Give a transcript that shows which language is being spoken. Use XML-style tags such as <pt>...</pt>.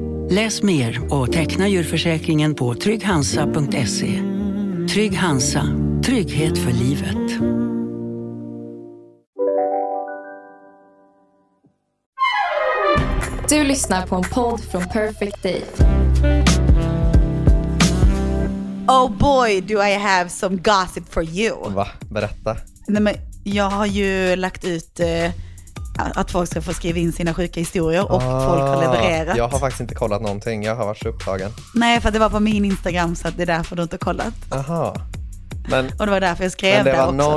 <sv>Läs mer och teckna djurförsäkringen på trygghansa.se. Trygg Hansa. Trygghet för livet. Du lyssnar på en podd från Perfect Day.</sv> <en>Oh boy, do I have some gossip for you.</en> <sv>Va? Berätta. Nej, men jag har ju lagt ut att folk ska få skriva in sina sjuka historier och folk har levererat. Jag har faktiskt inte kollat någonting, jag har varit så upptagen. Nej, för det var på min Instagram, så det är därför du inte har kollat. Aha. Men, och det var därför jag skrev det. Men det var också,</sv>